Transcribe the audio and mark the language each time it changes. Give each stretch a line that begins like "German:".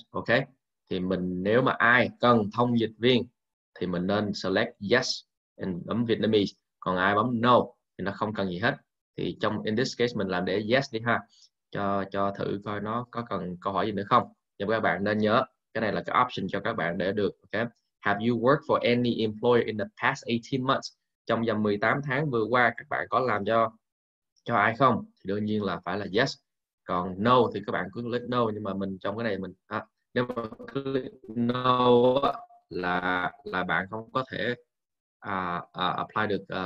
Vietnamese: Ok, thì mình nếu mà ai cần thông dịch viên thì mình nên select yes and bấm Vietnamese, còn ai bấm no thì nó không cần gì hết. Thì trong
English: in this case
Vietnamese: mình làm để yes đi ha, cho thử coi nó có cần câu hỏi gì nữa không. Nhưng các bạn nên nhớ, cái này là cái option cho các bạn để được. Okay.
English: Have you worked for any employer in the past 18 months?
Vietnamese: Trong vòng 18 tháng vừa qua, các bạn có làm cho ai không? Thì đương nhiên là phải là yes. Còn no thì các bạn cứ click no. Nhưng mà mình trong cái này mình... À, nếu mà click no là bạn không có thể apply được...